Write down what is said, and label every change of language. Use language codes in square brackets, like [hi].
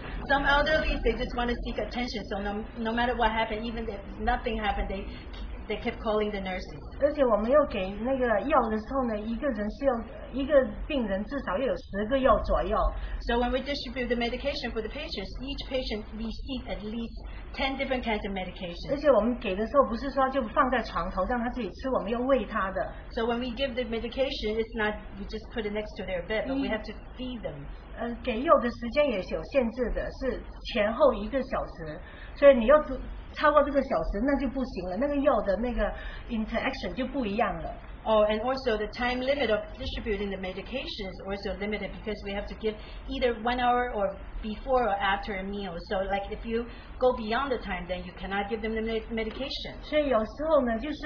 [en] Some elderly, they just want to seek attention, so no matter what happened, even if nothing happened, they kept calling the nurses. [zh] 而且我们又给那个药的时候呢，一个人是用 [en] So when we distribute the medication for the patients, each patient received at least 10 different kinds of medication. [zh] 而且我们给的时候不是说就放在床头让他自己吃，我们要喂他的. [en] So when we give the medication, it's not you just put it next to their bed, but we have to feed them. [zh] 给药的时间也是有限制的，是前后一个小时，所以你要超过这个小时那就不行了，那个药的那个 interaction 就不一样了. [en] Oh, and also the time limit of distributing the medication is also limited because we have to give either 1 hour or before or after a meal. So like if you go beyond the time, then you cannot give them the medication.